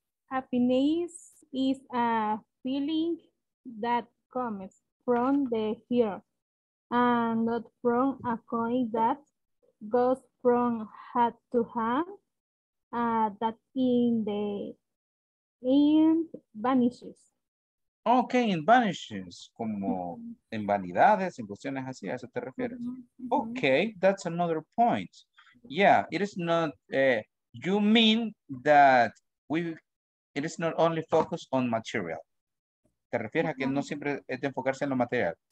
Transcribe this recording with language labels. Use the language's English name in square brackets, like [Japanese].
[English] Happiness is a feeling that comes from the heart. And not from a coin that goes from hand to hand, that in the end vanishes. [Spanish] Okay, in vanishes, como en vanidades, en cuestiones así, ¿a eso te refieres? [English] Okay, that's another point. Yeah, it is not, you mean that it is not only focused on material. [Spanish] Te refieres a que no siempre es de enfocarse en lo material.